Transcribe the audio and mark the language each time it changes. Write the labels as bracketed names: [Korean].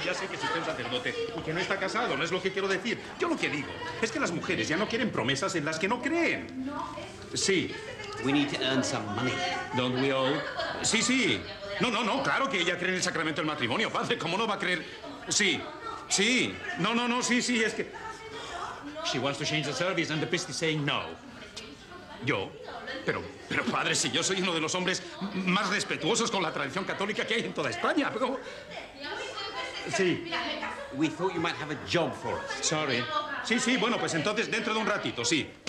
[Spanish] Sí, ya sé que es usted un sacerdote y que no está casado, no es lo que quiero decir. Yo lo que digo es que las mujeres ya no quieren promesas en las que no creen. Sí. [English] We need to earn some money. Don't we all? Sí, sí. [Spanish] No, claro que ella cree en el sacramento del matrimonio, padre. ¿Cómo no va a creer? Sí, sí. No, sí, es que... [English] She wants to change the service and the priest is saying no. [Spanish] Yo, pero padre, si yo soy uno de los hombres más respetuosos con la tradición católica que hay en toda España, pero... Sí. [English] We thought you might have a job for us. Sorry. [Spanish] Sí, sí, bueno, pues entonces dentro de un ratito, sí.